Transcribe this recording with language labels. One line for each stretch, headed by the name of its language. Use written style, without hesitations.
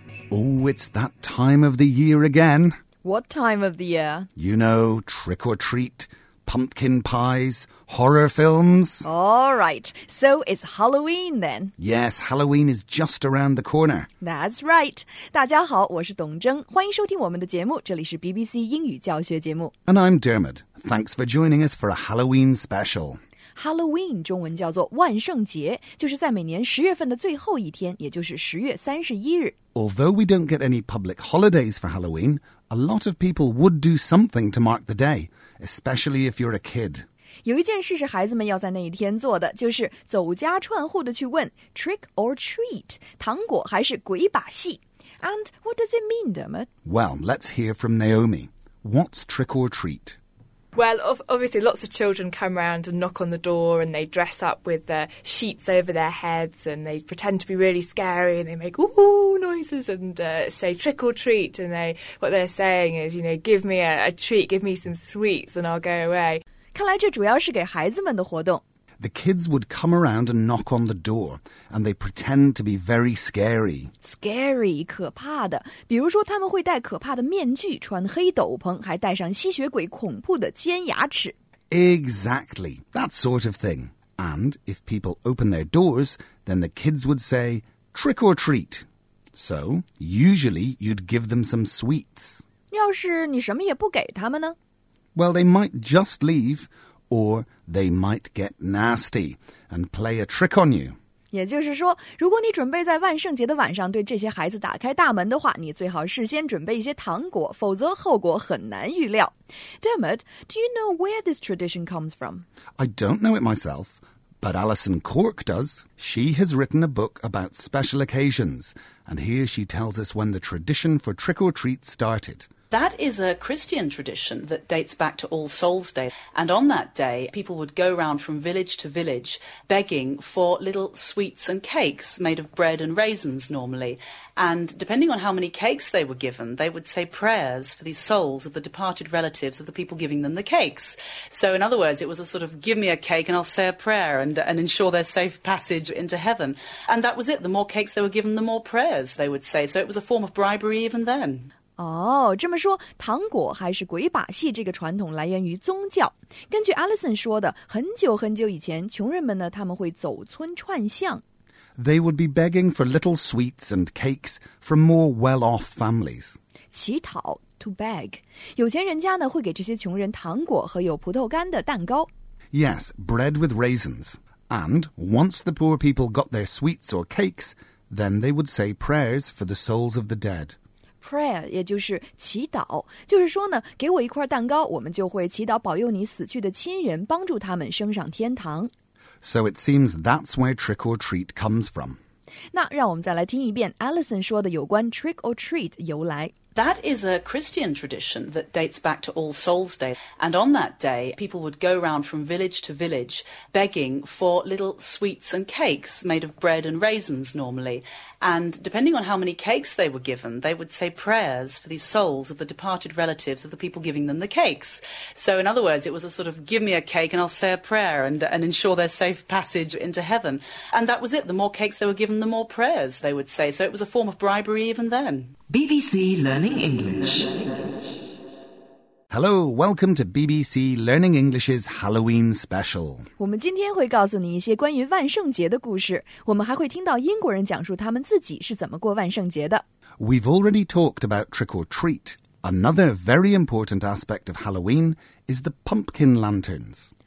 English: Oh, it's that time of the year again. What time of the year? You know, trick or treat, pumpkin pies, horror films. All right, so it's Halloween then. Yes, Halloween is just around the corner. That's right.
Chinese: 大家好，我是董征，欢迎收听我们的节目，这里是 BBC 英语教学节目。
English: And I'm Dermot. Thanks for joining us for a Halloween special.
Chinese: Halloween 中文叫做万圣节，就是在每年十月份的最后一天，也就是十月三十一日。
English: Although we don't get any public holidays for Halloween, a lot of people would do something to mark the day, especially if you're a kid.
Chinese: 有一件事是孩子们要在那一天做的，就是走家串户的去问
English: trick or treat,
Chinese: 糖果还是鬼把戏。
English: And what does it mean, Dermot? Well, let's hear from Naomi. What's trick or treat? Well, obviously lots of children come round and knock on the door and they dress up with the sheets over their heads and they pretend to be really scary and they make ooh noises andsay trick or treat. And what they're saying is, you know, give me a treat, give me some sweets and I'll go away.
Chinese: 看来这主要是给孩子们的活动。
English: The kids would come around and knock on the door, and they pretend to be very scary.
Chinese: Scary, 可怕的。比如说他们会戴可怕的面具，穿黑斗篷，还戴上吸血鬼恐怖的尖牙齿。
English: Exactly, that sort of thing. And if people open their doors, then the kids would say, trick or treat. So, usually you'd give them some sweets.
Chinese: 要是你什么也不给他们呢?
English: Well, they might just leave,Or they might get nasty and play a trick on you.
Chinese: 也就是说，如果你准备在万圣节的晚上对这些孩子打开大门的话，你最好事先准备一些糖果，否则后果很难预料。
English: Dermot, do you know where this tradition comes from? I don't know it myself, but Alison Cork does. She has written a book about special occasions, and here she tells us when the tradition for trick or treat started. That is a Christian tradition that dates back to All Souls Day. And on that day, people would go round from village to village begging for little sweets and cakes made of bread and raisins normally. And depending on how many cakes they were given, they would say prayers for the souls of the departed relatives of the people giving them the cakes. So in other words, it was a sort of give me a cake and I'll say a prayer and ensure their safe passage into heaven. And that was it. The more cakes they were given, the more prayers they would say. So it was a form of bribery even then.
Chinese: 哦、oh, 这么说糖果还是鬼把戏这个传统来源于宗教。根据 Alison 说的很久很久以前穷人们呢他们会走村串巷。
English: They would be begging for little sweets and cakes from more well-off families.
Chinese: 乞讨
English: to beg.
Chinese: 有钱人家呢会给这些穷人糖果和有葡萄干的蛋糕。
English: Yes, bread with raisins. And once the poor people got their sweets or cakes, then they would say prayers for the souls of the dead.
Chinese: Prayer, 也就是祈祷，就是说呢，给我一块蛋糕，我们就会祈祷保佑你死去的亲人，帮助他们升上天堂。
English: So it seems that's where trick or treat comes from.
Chinese: 那让我们再来听一遍 Alison 说的有关
English: trick or treat
Chinese: 由来。
English: That is a Christian tradition that dates back to All Souls Day. And on that day, people would go round from village to village begging for little sweets and cakes made of bread and raisins normally. And depending on how many cakes they were given, they would say prayers for the souls of the departed relatives of the people giving them the cakes. So in other words, it was a sort of give me a cake and I'll say a prayer and ensure their safe passage into heaven. And that was it. The more cakes they were given, the more prayers they would say. So it was a form of bribery even then. BBC Learning English. Hello, welcome to BBC Learning English's Halloween special.
Chinese: 我们今天会告诉你一些关于万圣节的故事。我们还会听到英国人讲述他们自己是怎么过万圣节的。
English: We've already talked about trick or treat. Another very important aspect of Halloween is the pumpkin lanterns.